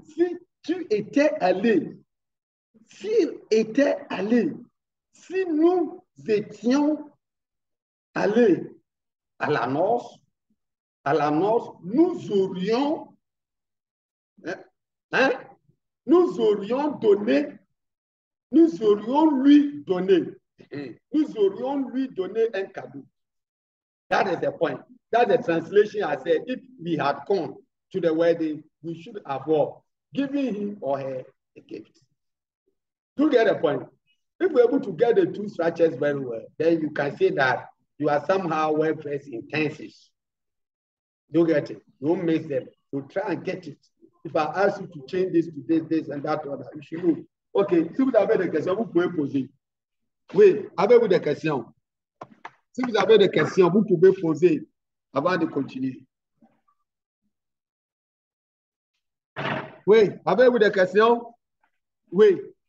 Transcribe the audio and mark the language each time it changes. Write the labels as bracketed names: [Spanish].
[French] Si tu étais allé, si était allé, si nous étions allés à la noce, nous aurions lui donné un cadeau. [English] That is the point. That's the translation. I said, if we had gone to the wedding, we should have given him or her a gift. Do you get the point? If we're able to get the two structures very well, then you can say that you are somehow well versed in tenses. Do you get it? Don't miss them. So try and get it. If I ask you to change this to this and that order, you should move. [French] Okay, si vous avez des questions, vous pouvez poser. Oui, avez-vous des questions? Si vous avez des questions, vous pouvez poser avant de continuer. Oui, avez-vous des questions? Oui.